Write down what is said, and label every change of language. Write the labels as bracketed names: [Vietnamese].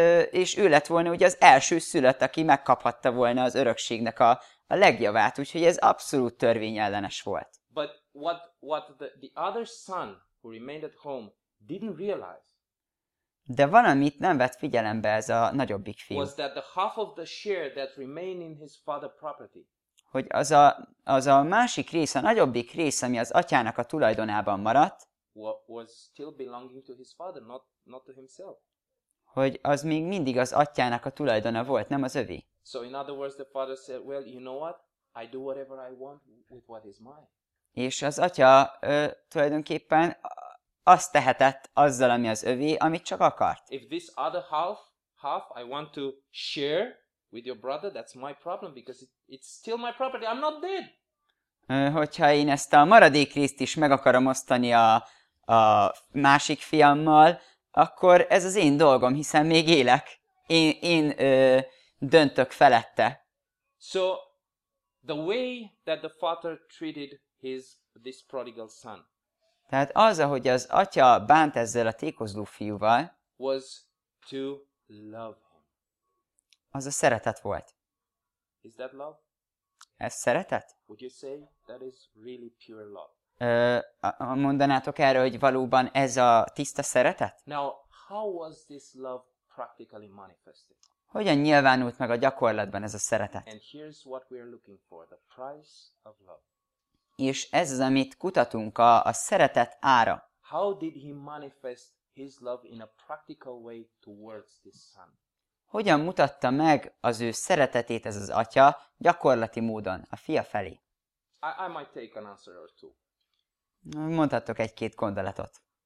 [Hungarian] És ő lett volna ugye az első szülött, aki megkaphatta volna az örökségnek a legjavát, úgyhogy ez abszolút törvényellenes volt. [English] But what the other son who remained at home didn't realize. [Hungarian] De valamit nem vett figyelembe ez a nagyobbik fiú. [English] Was that the half of the share that remained in his father's property? [Hungarian] Hogy az a másik rész, a nagyobbik rész, ami az atyának a tulajdonában maradt, [English] was still belonging to his father, not to himself. [Hungarian] Hogy az még mindig az atyának a tulajdona volt, nem az övé. [English] So in other words, the father said, well, you know what? I do whatever I want with what is mine. [Hungarian] És az atya tulajdonképpen azt tehetett azzal, ami az övé, amit csak akart. [English] If this other half I want to share with your brother, that's my problem, because it's still my property, I'm not dead. [Hungarian] Hogyha én ezt a maradék részt is meg akarom osztani a másik fiammal, akkor ez az én dolgom, hiszen még élek. Én döntök felette. [English] So, the way that the father treated this prodigal son. [Hungarian] Tehát az, ahogy az atya bánt ezzel a tékozló fiúval, [English] was to love him. [Hungarian] Az a szeretet volt. [English] Is that love? [Hungarian] Ez szeretet? [English] Would you say that is really pure love? [Hungarian] Mondanátok erre, hogy valóban ez a tiszta szeretet? [English] Now, how was this love practically manifested? [Hungarian] Hogyan nyilvánult meg a gyakorlatban ez a szeretet? [English] And here's what we are looking for, the price of love. [Hungarian] És ez az, amit kutatunk, a szeretet ára. [English] How did he manifest his love in a practical way towards this son? [Hungarian] Hogyan mutatta meg az ő szeretetét ez az atya gyakorlati módon a fia felé? [English] I might take an answer or two. [Hungarian] Mondhattok egy-két gondolatot.